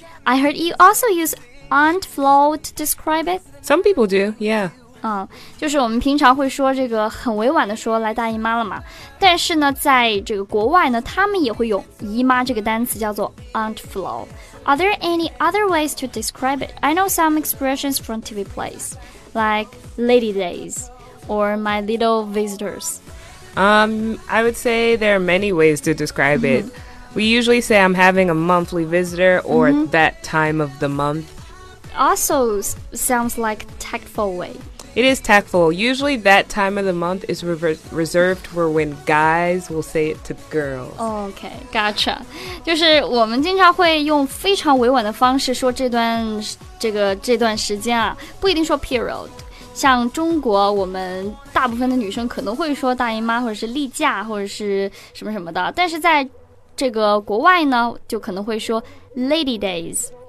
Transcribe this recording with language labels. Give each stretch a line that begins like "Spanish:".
English: I heard you also use Aunt Flo to describe it. Some people do, yeah.
Chinese: 就是我们平常会说这个很委婉的说来大姨妈了嘛。但是呢，在这个国外呢，他们也会用姨妈这个单词叫做 Aunt Flo.
English: Are there any other ways to describe it? I know some expressions from TV plays, like lady days or my little visitors. I would say there are many ways to describe it. We usually say I'm having a monthly visitor or that time of the month. Also sounds like tactful way. It is tactful. Usually that time of the month is reserved for when guys will say it to girls. Okay, gotcha.
Chinese: 就是我们经常会用非常委婉的方式说这段时间啊，不一定说 period。像中国我们大部分的女生可能会说大姨妈或者是例假或者是什么什么的。但是在这个国外呢，就可能会说 lady days。